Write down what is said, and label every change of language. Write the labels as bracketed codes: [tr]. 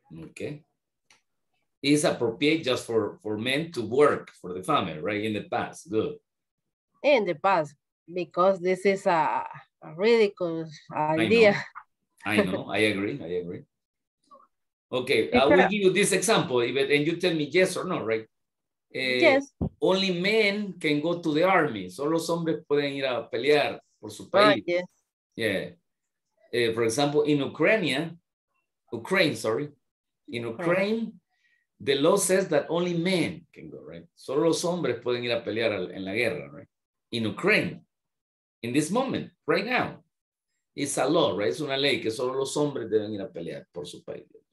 [en] Okay. Is appropriate just for men to work for the family, right? In the past, good. In the past, because this is a ridiculous idea. I know. I agree. Okay, I will give you this example, Yvette, and you tell me yes or no, right? Yes. Only men can go to the army. [es] Solo hombres pueden ir a pelear por su país. [en] Yes. Yeah. For example, in Ukraine, the law says that only men can go, right? [es] Solo los hombres pueden ir a pelear en la guerra, right? [en] In Ukraine, in this moment, right now, it's a law, right? [es] Es una ley que solo los hombres deben ir a pelear por su país.